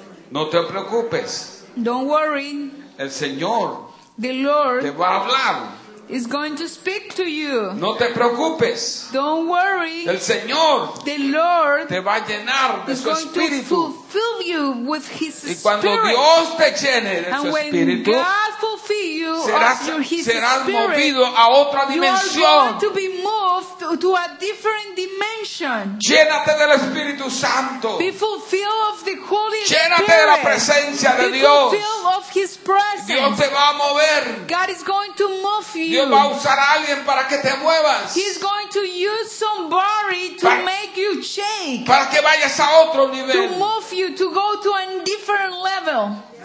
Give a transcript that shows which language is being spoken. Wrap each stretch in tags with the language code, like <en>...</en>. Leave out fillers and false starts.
<es>No te preocupes.</es> <en>Don't worry.</en> <es>El Señor.</es> <en>The Lord.</en> <es>Te va a hablar.</es> <en>Is going to speak to you.</en> <es>No te preocupes.</es> <en>Don't worry.</en> <es>El Señor.</es> <en>The Lord.</en> <es>Te va a llenar de su Espíritu.</es> <en>Is going to fulfill you with His Spirit.</en> <es>Y cuando Dios te llene de su Espíritu.</es> <en>And when God fulfill you</en> <es>serás,</es> <en>of His</en> <es>serás</es> <en>Spirit.</en> <es>Serás movido a otra dimensión.</es> <en>You are going to be moved to a different dimension.</en> <es>Llénate del Espíritu Santo.</es> <en>Be fulfilled of the Holy Spirit.</en> <es>Llénate de la presencia de Dios.</es> <en>Be fulfilled of His presence.</en> <es>Dios te va a mover.</es> <en>God is going to move you.</en> <es>Dios va a usar a alguien para que te muevas.</es> <en>He's going to use somebody to make you shake.</en> <es>Para que vayas a otro nivel.</es> <en>To move you to go to a different level.</en>